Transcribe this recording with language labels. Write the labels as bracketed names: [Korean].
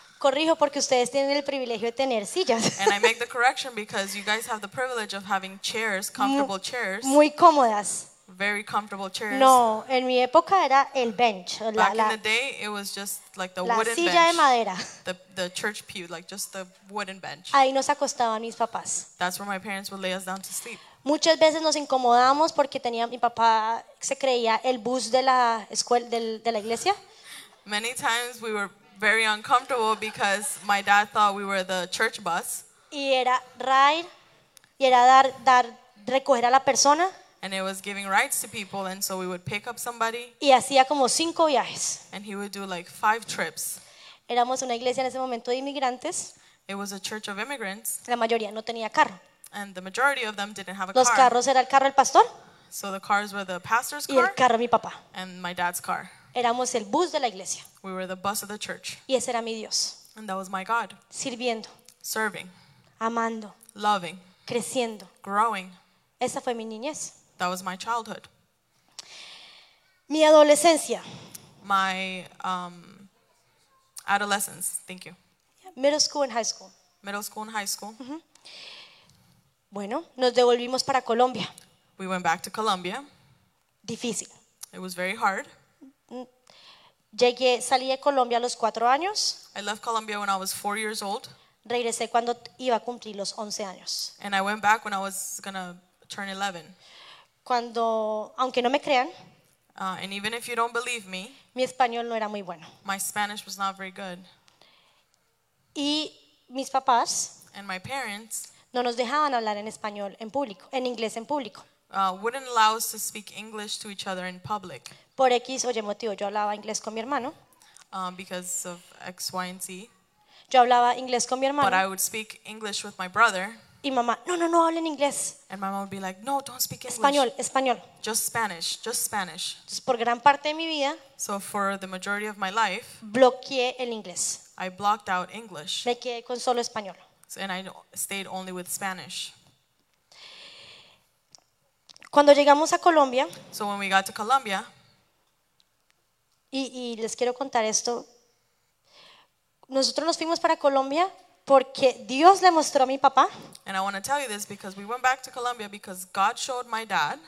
[Spanish] Corrijo porque ustedes tienen el privilegio de tener sillas. [English] And I make the correction because you guys have the privilege of having chairs, comfortable chairs. [Spanish] Muy cómodas. [English] Very comfortable chairs. [Spanish] No, en mi época era el bench. [English] Back [Spanish] la, [English] in the day, it was just like the [Spanish] la [English] wooden [Spanish] silla [English] bench. [Spanish] De madera. [English] The church pew, like just the wooden bench. [Spanish] Ahí nos acostaban mis papás. [English] That's where my parents would lay us down to sleep. [Spanish] Muchas veces nos incomodamos porque tenía mi papá se creía el bus de la escuela de la iglesia. [English] Many times we were very uncomfortable because my dad thought we were the church bus. [Spanish] Y era ride y era dar recoger a la persona. [English] And it was giving rides to people, and so we would pick up somebody. [Spanish] Y hacía como 5 viajes. [English] And he would do like 5 trips. [Spanish] Éramos una iglesia en ese momento de inmigrantes. [English] It was a church of immigrants. [Spanish] La mayoría no tenía carro. [English] And the majority of them didn't have a [Spanish] Los [English] car. [Spanish] Los carros era el carro del pastor. [English] So the cars were the pastor's [Spanish] y el carro mi papá. [English] And my dad's car. [Spanish] Éramos el bus de la iglesia. [English] We were the bus of the church. [Spanish] Y ese era mi Dios. [English] And that was my God. [Spanish] Sirviendo. [English] Serving. [Spanish] Amando. [English] Loving. [Spanish] Creciendo. [English] Growing. [Spanish] Esa fue mi niñez. [English] That was my childhood. [Spanish] Mi adolescencia. [English] My adolescence. Thank you. Middle school and high school. Middle school and high school. [Spanish] Mm-hmm. Bueno, nos devolvimos para Colombia. [English] We went back to Colombia. [Spanish] Difícil. [English] It was very hard. [Spanish] Llegué, salí de Colombia a los 4 años. [English] I left Colombia when I was 4 years old. [Spanish] Regresé cuando iba a cumplir los 11 años. [English] And I went back when I was gonna turn 11. [Spanish] Cuando, aunque no me crean, [English] and even if you don't believe me, [Spanish] mi español no era muy bueno. [English] My Spanish was not very good. [Spanish] Y mis papás, [English] and my parents, [Spanish] no nos dejaban hablar en español en público, en inglés en público. [English] Wouldn't allow us to speak English to each other in public. [Spanish] Por X o Y motivo, yo hablaba inglés con mi hermano. [English] Because of X, Y, and Z. [Spanish] Yo hablaba inglés con mi hermano. [English] But I would speak English with my brother. [Spanish] Y mamá, no hablen inglés. [English] And my mom would be like, no, don't speak English. [Spanish] Español, español. [English] Just Spanish. [Spanish] Entonces, por gran parte de mi vida, [English] so for the majority of my life, [Spanish] bloqueé el inglés. [English] I blocked out English. [Spanish] Me quedé con solo español. [English] And I stayed only with Spanish. [Spanish] Cuando llegamos a Colombia, [English] so when we got to Colombia, [Spanish] y les quiero contar esto, nosotros nos fuimos para Colombia Porque Dios le mostró a mi papá. [English] And I want to tell you this because we went back to Colombia because God showed my dad